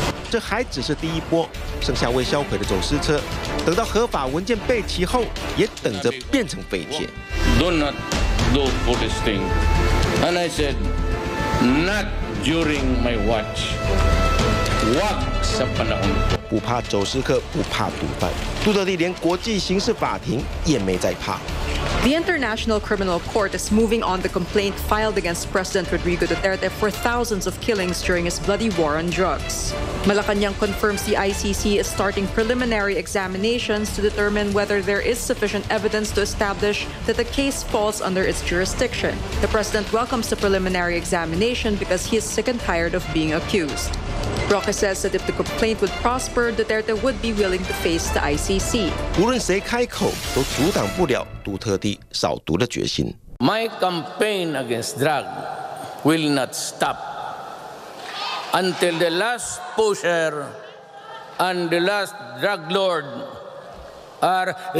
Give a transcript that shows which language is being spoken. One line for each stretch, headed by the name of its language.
Chinese: 这还只是第一波，剩下未销毁的走私车，等到合法文件备齐后，也等着变成废铁。
English: Do for this thing, and I said, not during my watch. What
Filipino: sa panahon?
Chinese: 不怕走私客，不怕毒贩。杜特地连国际刑事法庭也没在怕。
English: The International Criminal Court is moving on the complaint filed against President Rodrigo Duterte for thousands of killings during his bloody war on drugs. Malacanang confirms the ICC is starting preliminary examinations to determine whether there is sufficient evidence to establish that the case falls under its jurisdiction. The president welcomes the preliminary examination because he is sick and tired of being accused. Roque says that if the complaint would prosper, Duterte would be willing to face the ICC.
Chinese: 无论谁开口，都阻挡不了杜特地扫毒的决心。
English: My campaign against drug will not stop until the last pusher and the last drug lord are.